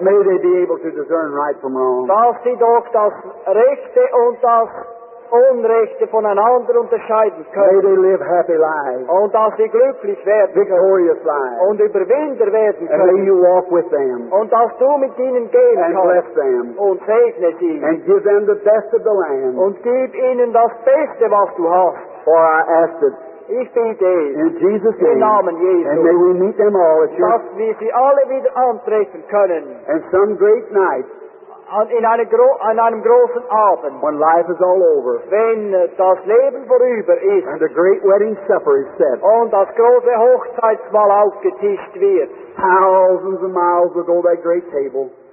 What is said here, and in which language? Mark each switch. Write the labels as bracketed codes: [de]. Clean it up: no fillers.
[en] May they be able to discern right from wrong. [de] Dass sie doch das Rechte und das Unrechte voneinander unterscheiden können. [en] May they live happy lives. [de] Und dass sie glücklich werden. [en] Victorious lives. [de] Und Überwinder werden können. [en] And may you walk with them. [de] Und dass du mit ihnen gehen kannst. [en] And bless them. [de] Und segne sie. [en] And give them the best of the land. [de] Und gib ihnen das Beste, was du hast. [en] For I ask it. [de] Ich bitte [en] in Jesus' name, [de] im Namen Jesu, [en] and may we meet them all at [de] dass wir sie alle wieder antreffen können. [en] And some great night, [de] an einem großen Abend, [en] when life is all over, [de] wenn das Leben vorüber ist, [en] and the great wedding supper is set, [de] und das große Hochzeitsmahl aufgetischt wird. [en] Thousands of miles will go that great table.